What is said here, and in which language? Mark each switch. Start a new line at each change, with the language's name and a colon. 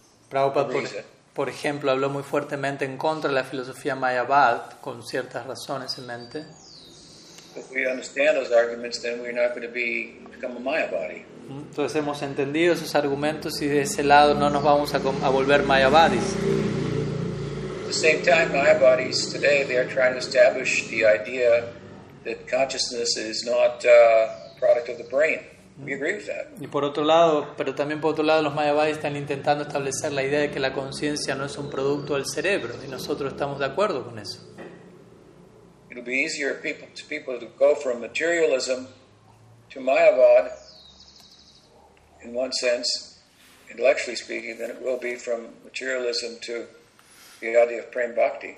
Spanish: Prabhupada, por ejemplo, habló muy fuertemente en contra de la filosofía Mayavad, con ciertas razones en mente.
English: If we understand those arguments, then we're not going to become a Mayavadi.
Spanish: Entonces hemos entendido esos argumentos y de ese lado no nos vamos a volver Mayavadis.
English: At the same time, Mayavadis today, they are trying to establish the idea that consciousness is not a product of the brain. We agree with that.
Spanish: Y por otro lado, pero también por otro lado, los Mayavadis están intentando establecer la idea de que la conciencia no es un producto del cerebro, y nosotros estamos de acuerdo con eso.
English: It'll be easier to people to go from materialism to Mayavad, in one sense, intellectually speaking, than it will be from materialism to the idea of prem bhakti.